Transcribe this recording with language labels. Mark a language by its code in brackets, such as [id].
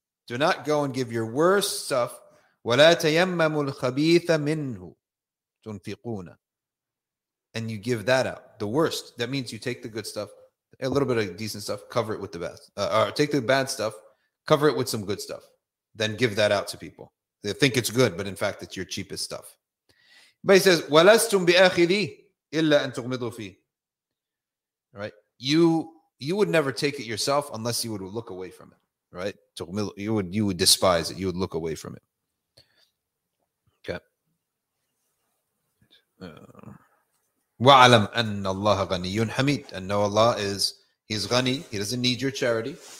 [en] Do not go and give your worst stuff. [ar] وَلَا تَيَمَّمُوا الْخَبِيثَ مِنْهُ تُنْفِقُونَ [en] and you give that out. The worst. That means you take the good stuff, a little bit of decent stuff, cover it with the best. Or take the bad stuff, cover it with some good stuff. Then give that out to people. They think it's good, but in fact, it's your cheapest stuff. But he says, [ar] وَلَسْتُمْ بِأَخِذِي إِلَّا أَن تُغْمِضُوا فِي. [en] Right? You would never take it yourself unless you would look away from it. Right? You would despise it. You would look away from it. Okay. [ar] وَعَلَمْ أَنَّ اللَّهَ غَنِيٌّ حَمِيدٌ [en] and know Allah is, he's ghani, he doesn't need your charity.